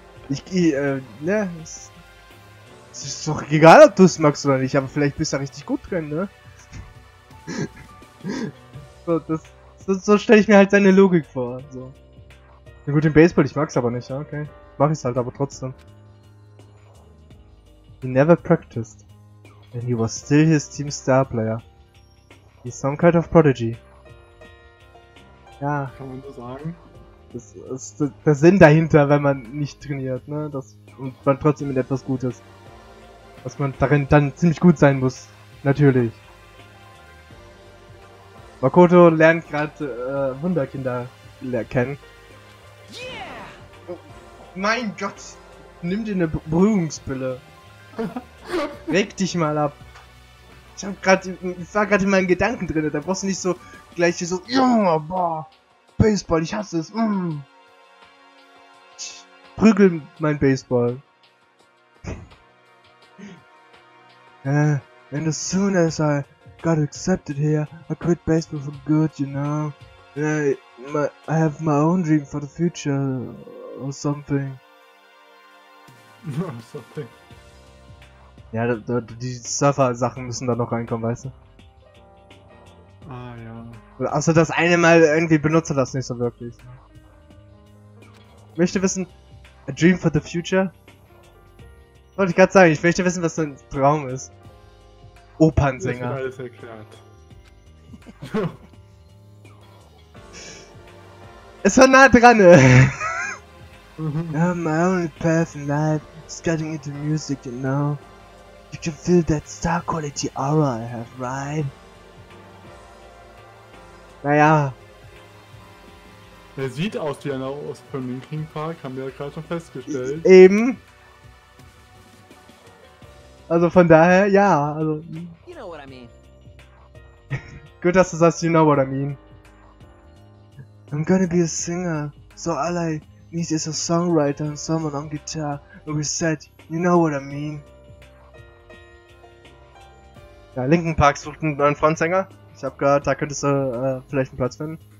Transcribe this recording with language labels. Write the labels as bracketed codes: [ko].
[de] Es ist doch egal, ob du es magst oder nicht, aber vielleicht bist du ja richtig gut drin, ne? So stelle ich mir halt seine Logik vor. So. Ja, gut, im Baseball, ich mag's aber nicht, ja, okay. Mach ich's halt aber trotzdem. [en] He never practiced. And he was still his team star player. He's some kind of prodigy. [de] Ja. Kann man so sagen. Das ist der Sinn dahinter, wenn man nicht trainiert, ne? Das, und man trotzdem in etwas Gutes. Dass man darin dann ziemlich gut sein muss. Natürlich. Makoto lernt gerade Wunderkinder kennen. [en] Yeah! [de] Oh, mein Gott! Nimm dir eine Beruhigungspille. Reg dich mal ab. Ich war gerade in meinen Gedanken drin, da brauchst du nicht so gleich hier so, Junge, boah, Baseball, ich hasse es, Prügel mein Baseball. [en] And as soon as I got accepted here, I quit baseball for good, you know. I have my own dream for the future, or something. Something. [de] Ja, die Surfer-Sachen müssen da noch reinkommen, weißt du? Ah, ja. Außer das eine Mal irgendwie benutze das nicht so wirklich. Möchte wissen, a dream for the future? Wollte ich gerade sagen, ich möchte wissen, was dein Traum ist. Opernsänger. Das ist alles erklärt. Es war nah dran, ne? [en] My only path in life is getting into music, you know? You can feel that star quality aura I have, right? [de] Naja. Er sieht aus wie einer aus von Linkin Park, haben wir ja gerade schon festgestellt. Eben. Also von daher, ja, also. [en] You know what I mean. [de] Gut, dass du sagst, [en] you know what I mean. I'm gonna be a singer, so all I need is a songwriter and someone on guitar who will set, you know what I mean. [de] Ja, Linkin Park sucht einen neuen Frontsänger. Ich hab gehört, da könntest du vielleicht einen Platz finden.